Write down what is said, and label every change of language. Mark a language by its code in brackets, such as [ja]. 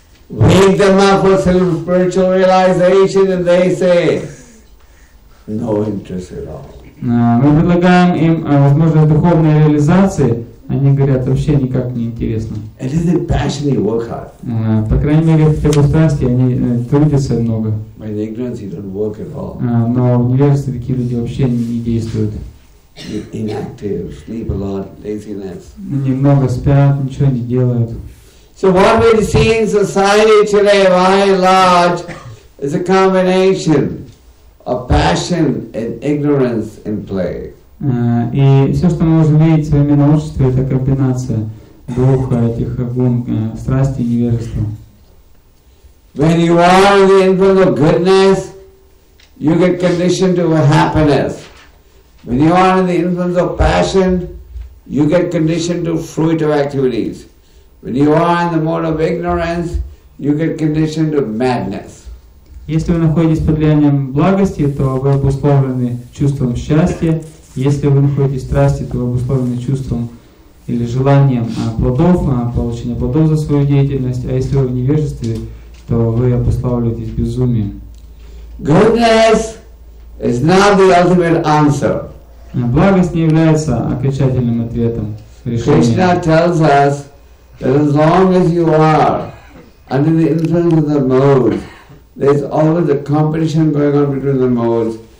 [en] Wake them up for some spiritual realization, and they say, "No interest at all." [ru] Мы предлагаем им возможность духовной реализации. Они говорят, вообще никак не интересно. [en] It is a passionate work hard. [ru] По крайней мере, в тех страсти они трудятся много. [en] By the ignorance, you don't work at all. [ru] Но в невежестве такие люди вообще не действуют. [en] Inactive, sleep a lot, laziness. [ru] Немного спят, ничего не делают. [en] So what we see in society today, by and large, is a combination of passion and ignorance in play. [ru] И все, что мы можем видеть в современном обществе, это комбинация двух этих гун, страсти и невежества. [en] When you are in the influence of goodness, you get conditioned to a happiness. When you are in the influence of passion, you get conditioned to fruit of activities. When you are in the mode of ignorance, you get conditioned to madness. [ru] Если вы находитесь под влиянием благости, то вы обусловлены чувством счастья. Если вы находитесь в страсти, то вы обусловлены чувством или желанием плодов, получения плодов за свою деятельность. А если вы в невежестве, то вы обуславливаетесь безумием. [en] Goodness is not the ultimate answer. [ru] Благость не является окончательным ответом. [en] Krishna tells us that as long as you are under the influence of the modes, there's always a competition going on between the modes.